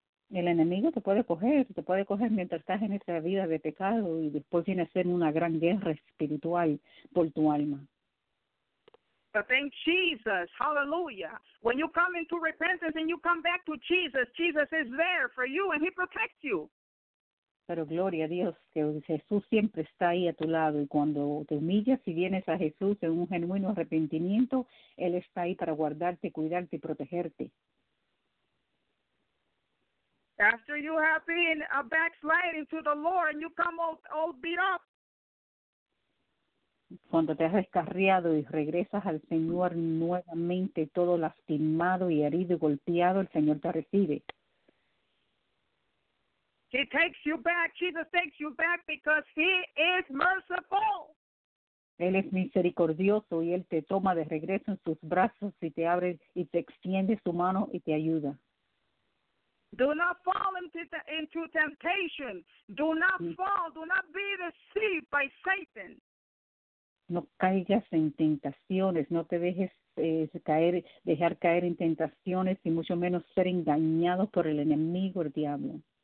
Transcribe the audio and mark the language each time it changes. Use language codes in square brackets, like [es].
[es] El enemigo te puede coger mientras estás en esa vida de pecado y después viene a ser una gran guerra espiritual por tu alma. [en] But thank Jesus, hallelujah. When you come into repentance and you come back to Jesus, Jesus is there for you and he protects you. [es] Pero gloria a Dios, que Jesús siempre está ahí a tu lado y cuando te humillas y vienes a Jesús en un genuino arrepentimiento, él está ahí para guardarte, cuidarte y protegerte. [en] After you have been a backsliding to the Lord and you come all beat up. [es] Cuando te has descarriado y regresas al Señor nuevamente todo lastimado y herido y golpeado, el Señor te recibe. [en] He takes you back. Jesus takes you back because he is merciful. [es] Él es misericordioso y él te toma de regreso en sus brazos y te abre y te extiende su mano y te ayuda. [en] Do not fall into temptation. Do not fall. Do not be deceived by Satan. [es] No caigas en tentaciones. No te dejes dejar caer en tentaciones y mucho menos ser engañado por el enemigo, el diablo.